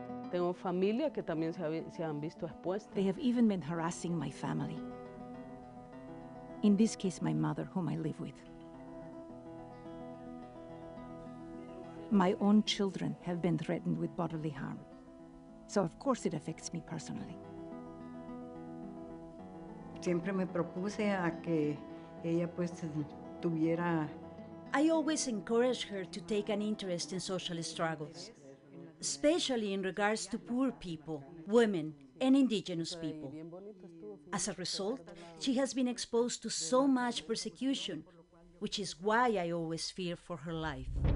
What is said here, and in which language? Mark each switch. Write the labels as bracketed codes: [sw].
[es] Tengo familia que también se han visto expuestas. [en] They have even been harassing my family. In this case, my mother, whom I live with. My own children have been threatened with bodily harm. So of course it affects me personally. [es] Siempre me propuse a que ella pues tuviera. [en] I always encourage her to take an interest in social struggles, especially in regards to poor people, women, and indigenous people. As a result, she has been exposed to so much persecution, which is why I always fear for her life.